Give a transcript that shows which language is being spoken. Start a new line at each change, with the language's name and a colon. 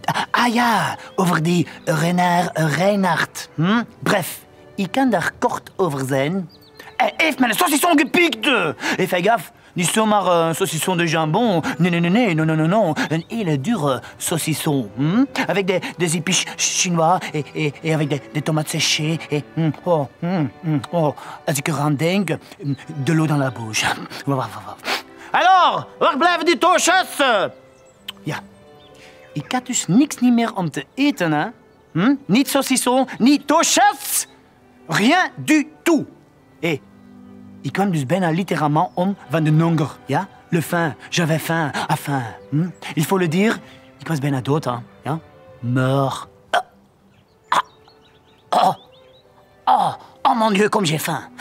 Dutch: Ah ja, over die Renard Reinhard. Bref, ik kan daar kort over zijn. Hij heeft mijn saucisson gepikt. Hij gaf Niet zomaar een saucisson de jambon. Nee. Een hele dure saucisson. Hm?
French: Avec des épices chinois et avec des tomates séchées. Et,
Dutch: als ik eraan denk,
French: de l'eau dans la bouche. Alors,
Dutch: waar blijven die toosjes? Ja. Ik had dus niks niet meer om te eten, hè? Hm? Niet saucisson, niet toosjes.
French: Rien du tout. Et,
Dutch: ik kwam dus bijna littéralement om van de honger, ja?
French: Le faim, j'avais faim, à faim.
Dutch: Hm?
French: Il faut le dire,
Dutch: ik was bijna dood, hè? Ja? Meur.
French: Oh, mon dieu, comme j'ai faim.